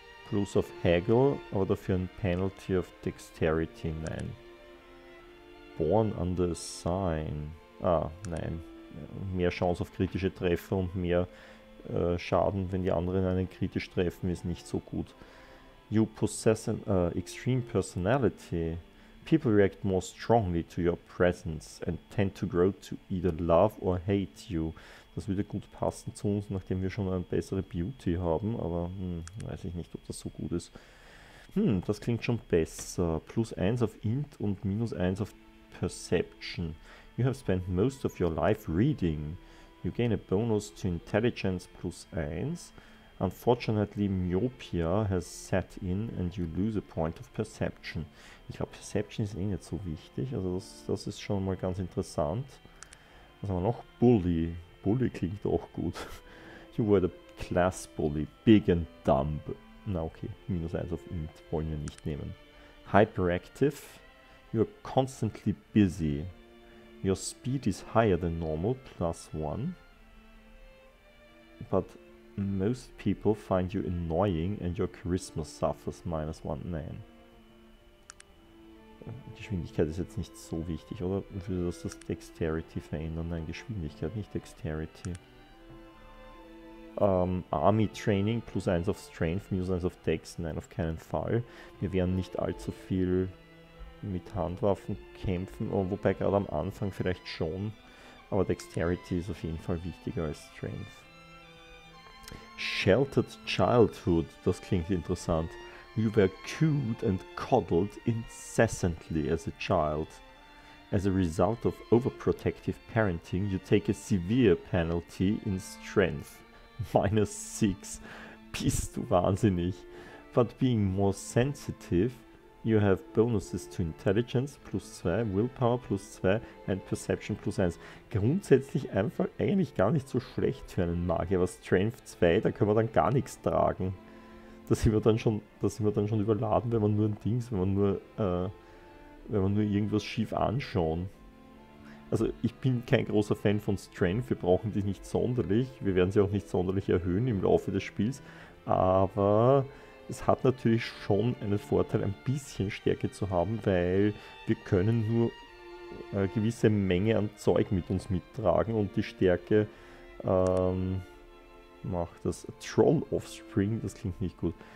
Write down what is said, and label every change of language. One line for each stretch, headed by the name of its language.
English: Plus of haggle,
German: aber dafür ein
English: penalty of dexterity.
German: Nein.
English: Born under a sign.
German: Ah, nein. Mehr Chance auf kritische Treffer und mehr Schaden, wenn die anderen einen kritisch treffen, ist nicht so gut.
English: You possess an extreme personality. People react more strongly to your presence and tend to grow to either love or hate you.
German: Das würde gut passen zu uns, nachdem wir schon eine bessere Beauty haben, aber weiß ich nicht, ob das so gut ist. Hm, das klingt schon besser. Plus 1 auf Int und minus 1 auf Perception.
English: You have spent most of your life reading. You gain a bonus to intelligence plus 1. Unfortunately, myopia has set in and you lose a point of perception.
German: Ich glaube, Perception ist eh nicht so wichtig. Also das ist schon mal ganz interessant. Was haben wir noch? Bully. Bully klingt auch gut.
English: You were the class bully. Big and dumb.
German: Na okay, minus 1 auf Int wollen wir nicht nehmen.
English: Hyperactive. You are constantly busy. Your speed is higher than normal, plus 1. But most people find you annoying and your charisma suffers, minus 1.
German: Nein. Geschwindigkeit ist jetzt nicht so wichtig, oder? Würde das das Dexterity verändern? Nein, Geschwindigkeit, nicht Dexterity. Army Training, plus 1 auf Strength, minus 1 auf Dex. Nein, auf keinen Fall. Wir werden nicht allzu viel mit Handwaffen kämpfen, wobei gerade am Anfang vielleicht schon, aber Dexterity ist auf jeden Fall wichtiger als Strength. Sheltered Childhood, das klingt interessant.
English: You were cooed and coddled incessantly as a child. As a result of overprotective parenting, you take a severe penalty in Strength.
German: Minus 6. Bist du wahnsinnig?
English: But being more sensitive, you have bonuses to intelligence plus 2, willpower plus 2 and perception plus 1.
German: Grundsätzlich einfach eigentlich gar nicht so schlecht für einen Magier, aber Strength 2, da können wir dann gar nichts tragen. Da sind wir dann schon überladen, wenn man nur ein Dings, wenn man nur irgendwas schief anschauen. Also ich bin kein großer Fan von Strength, wir brauchen die nicht sonderlich, wir werden sie auch nicht sonderlich erhöhen im Laufe des Spiels, aber es hat natürlich schon einen Vorteil, ein bisschen Stärke zu haben, weil wir können nur eine gewisse Menge an Zeug mit uns mittragen und die Stärke macht das. Troll Offspring, das klingt nicht gut.